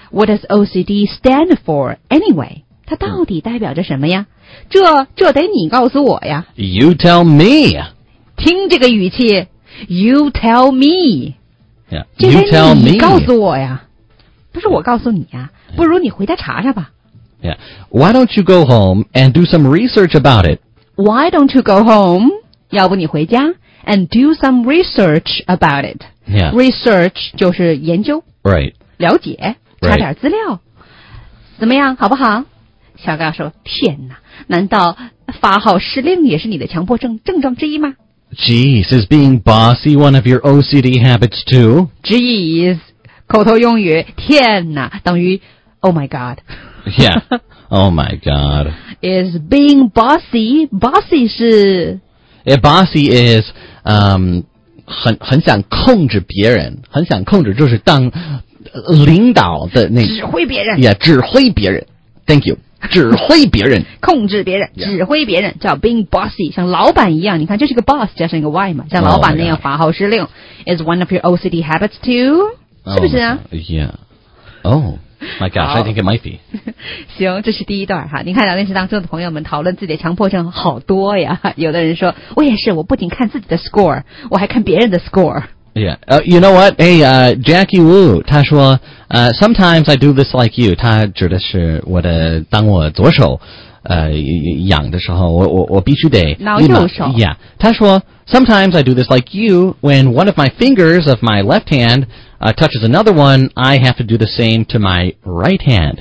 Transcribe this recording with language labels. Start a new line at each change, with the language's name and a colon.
English: What does OCD stand for anyway?
Chinese: 它到底代表着什么呀、嗯、这得你告诉我呀
English: You tell me
Chinese: 听这个语气 ，
English: You tell me， yeah, you tell me
Chinese: 告诉我呀，不是我告诉你呀、啊，不如你回家查查吧。
English: Yeah. Why don't you go home and do some research about it? Why don't you go home
Chinese: 要不你回家
English: and do some research about it. Yeah.
Chinese: Research 就是研究。
English: Right.
Chinese: 了解查点资料。
English: Right.
Chinese: 怎么样好不好小高说天哪难道发号施令也是你的强迫症症状之一吗
English: Jeez, is being bossy one of your OCD habits too?
Chinese: Jeez, 口头用语天哪等于
English: Oh my God. Yeah, oh my God. Is being bossy, bossy 是 yeah, Bossy is
Chinese: 很想控制别人很想控制就是当领导的那指挥别人
English: Yeah,
Chinese: 指挥别人
English: Thank you
Chinese: 指挥别人控制别人、
English: yeah.
Chinese: 指挥别人叫 being bossy 像老板一样你看这是个 boss 加上一个 y 嘛像老板那样发号施令、 oh、
English: is one of your OCD habits too、 oh、
Chinese: 是不是啊
English: yeah oh my gosh I think it might be
Chinese: 行这是第一段哈你看聊天室当中的朋友们讨论自己的强迫症好多呀有的人说我也是我不仅看自己的 score 我还看别人的 score
English: yeah、you know what hey、Jackie Wu 他说sometimes I do this like you.
Chinese: 他指的是我的，当我左手，痒的时候，我必须得挠右手。
English: Yeah.
Chinese: 他说
English: ，sometimes I do this like you. When one of my fingers of my left hand、touches another one, I have to do the same to my right hand.